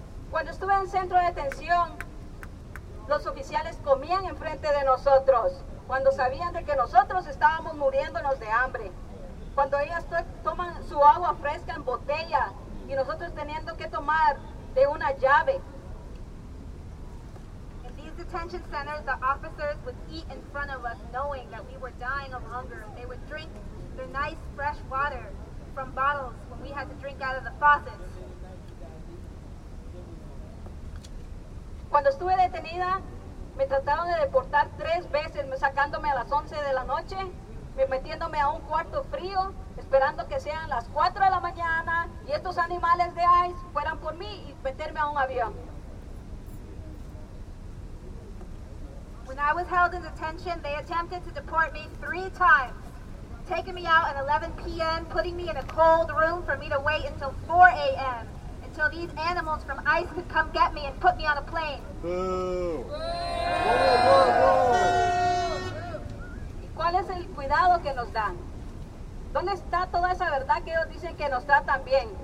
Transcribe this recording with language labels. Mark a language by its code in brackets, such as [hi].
[es] Cuando estuve en centro de detención, los oficiales comían enfrente de nosotros cuando sabían de que nosotros estábamos muriéndonos de hambre. Cuando ellas toman su agua fresca en botella y nosotros teniendo que tomar de una llave. [en] In these detention centers, the officers would eat in front of us knowing that we were dying of hunger. They would drink their nice fresh water from bottles when we had to drink out of the faucets. [es] Cuando estuve detenida, me trataron de deportar tres veces, sacándome a las 11 de la noche, metiéndome a un cuarto frío, esperando que sean las 4 de la mañana y estos animales de ICE fueran por mí y meterme a un avión. [en] When I was held in detention, they attempted to deport me 3 times, taking me out at 11 p.m., putting me in a cold room for me to wait until 4 a.m., until these animals from ICE could come get me and put me on a plane. Boo! [es] ¿Y cuál es el cuidado que nos dan? ¿Dónde está toda esa verdad que ellos dicen que nos tratan bien?